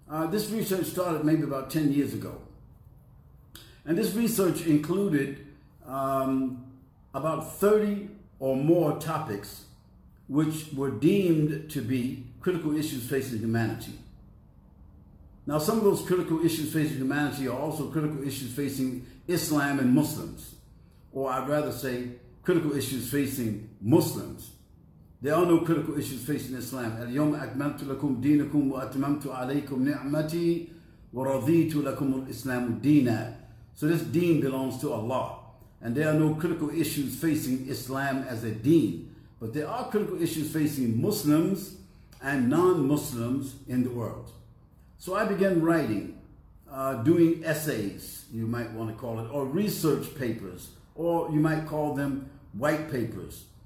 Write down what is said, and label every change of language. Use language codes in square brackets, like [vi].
[en] This research started maybe about 10 years ago. And this research included about 30 or more topics which were deemed to be critical issues facing humanity. Now, some of those critical issues facing humanity are also critical issues facing Islam and Muslims, or I'd rather say critical issues facing Muslims. There are no critical issues facing Islam. [ar] اليوم أكملت لكم دينكم وأتممت عليكم نعمتي ورضيت لكم الإسلام دينا. [en] So this deen belongs to Allah. And there are no critical issues facing Islam as a deen. But there are critical issues facing Muslims and non-Muslims in the world. So I began writing, doing essays, you might want to call it, or research papers, or you might call them white papers.